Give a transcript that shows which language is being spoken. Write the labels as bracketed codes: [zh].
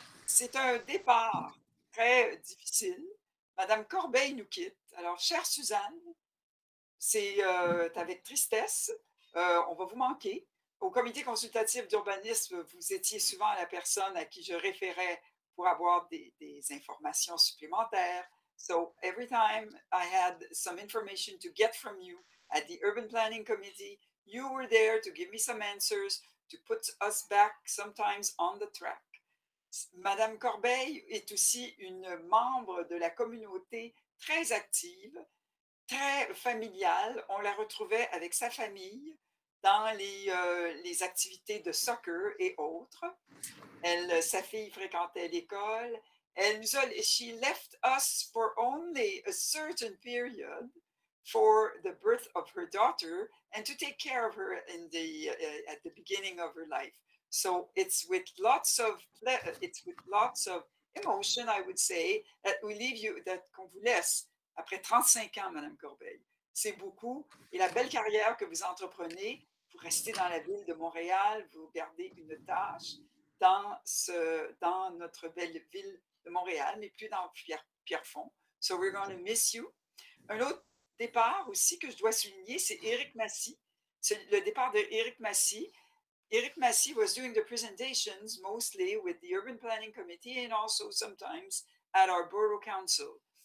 [fr] C'est un départ très difficile. Madame Corbeil nous quitte. Alors, chère Suzanne, c'est avec tristesse, on va vous manquer. Au comité consultatif d'urbanisme, vous étiez souvent la personne à qui je référais pour avoir des informations supplémentaires. [en] So every time I had some information to get from you at the Urban Planning Committee, you were there to give me some answers, to put us back sometimes on the track. [fr] Madame Corbeil est aussi une membre de la communauté très active, très familiale. On la retrouvait avec sa famille dans les activités de soccer et autres. Sa fille fréquentait l'école. [en] She left us for only a certain period for the birth of her daughter and to take care of her in the at the beginning of her life. So it's with lots of emotion, I would say, that we leave you, that [fr] qu'on vous laisse. Après 35 ans, Madame Corbeil, c'est beaucoup. Et la belle carrière que vous entreprenez, vous restez dans la ville de Montréal, vous gardez une tâche dans notre belle ville de Montréal, mais plus dans Pierrefonds. [en] So we're going to miss you. [fr] Un autre départ aussi que je dois souligner, c'est Éric Massy. C'est le départ de Éric Massy. [en] Éric Massy was doing the presentations mostly with the Urban Planning Committee and also sometimes at our Borough Council.